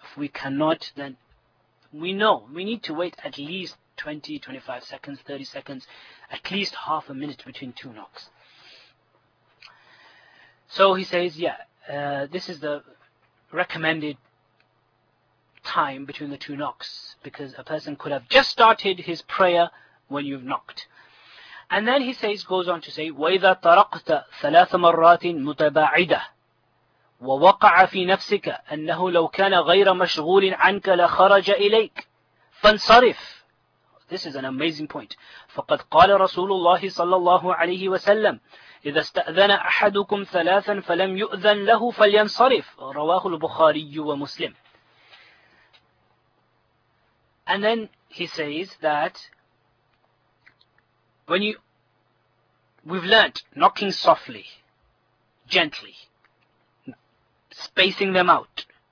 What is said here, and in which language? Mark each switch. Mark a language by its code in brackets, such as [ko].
[en] If we cannot, then we know. We need to wait at least 20, 25 seconds, 30 seconds, at least half a minute between two knocks. So he says, yeah, this is the recommended time between the two knocks, because a person could have just started his prayer when you've knocked. And then he says, goes on to say, [ar] وَإِذَا طَرَقْتَ ثَلَاثَ مَرَّاتٍ مُتَبَاعِدَةٍ وَوَقَعَ فِي نَفْسِكَ أَنَّهُ لَوْ كَانَ غَيْرَ مَشْغُولٍ عَنْكَ لَخَرَجَ إِلَيْكَ فَانْصَرِفْ. [en] This is an amazing point. [ar] فَقَدْ قَالَ رَسُولُ اللَّهِ صَلَّى اللَّهُ عَلَيْهِ وَسَلَّمْ إِذَا اسْتَأْذَنَ أَحَدُكُمْ ثَلَاثًا فَلَمْ يُؤْذَنْ لَهُ فَلْيَنْصَرِفْ. رواه البخاري ومسلم. [en] And then he says that we've learnt knocking softly, gently, spacing them out.